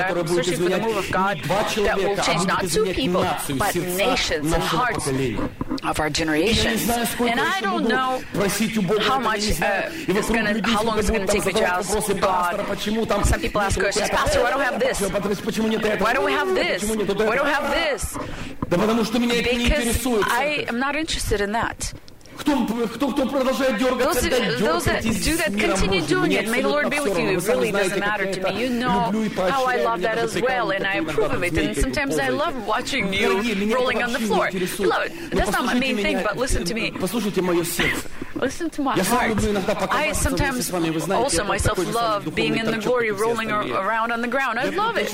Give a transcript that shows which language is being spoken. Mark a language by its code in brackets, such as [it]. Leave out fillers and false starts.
[en] I'm searching for the move of God that will change not two people, but nations and hearts of our generation. And I don't know how long it's going to take me to ask God. Some people ask questions, Pastor, why don't we have this? Why don't we have this? [ru] Да потому что меня это не интересует. [en] I am not interested in that. [ru] Кто продолжает дергаться, тогда дергайтесь с миром Божьим. [en] May the Lord be with you. It really doesn't matter to me. You know how I love that as well, and I approve of it. And sometimes I love watching you rolling on the floor. Beloved, that's not my main thing, but listen to me. [ru] Послушайте мое сердце. [en] Listen to my heart. I sometimes also myself love being in the glory, rolling around on the ground. I love it.